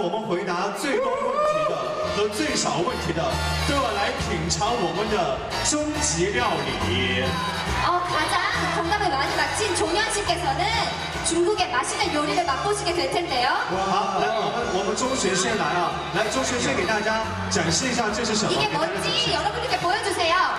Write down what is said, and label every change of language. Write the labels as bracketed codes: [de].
[zh] 我们回答最多问题的和最少问题的都要来品尝我们的终极料理。 [ko] 가장 정답을 많이 맞힌 종현 씨께서는 중국의 맛있는 요리를 맛보시게 될 텐데요. [zh] 我们中学先来啊，来中学先给大家展示一下这是什么。 [ko] 이게 뭔지 여러분들께 보여주세요.